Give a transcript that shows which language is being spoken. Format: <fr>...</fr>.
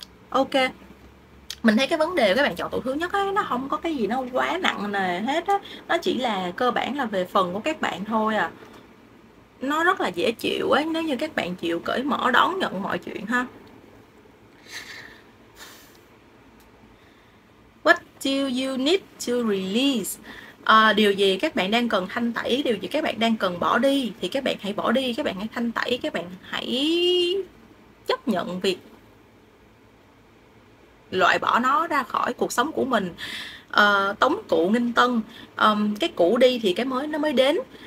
<vi>Ok, mình thấy cái vấn đề các bạn chọn tụ thứ nhất ấy, nó không có cái gì nó quá nặng nề hết á, nó chỉ là cơ bản là về phần của các bạn thôi à, nó rất là dễ chịu ấy nếu như các bạn chịu cởi mở đón nhận mọi chuyện ha.</vi> <en>What do you need to release?</en> <vi>Điều gì các bạn đang cần thanh tẩy, điều gì các bạn đang cần bỏ đi thì các bạn hãy bỏ đi, các bạn hãy thanh tẩy, các bạn hãy chấp nhận việc loại bỏ nó ra khỏi cuộc sống của mình. Tống cụ nghinh tân, cái cũ đi thì cái mới nó mới đến.</vi>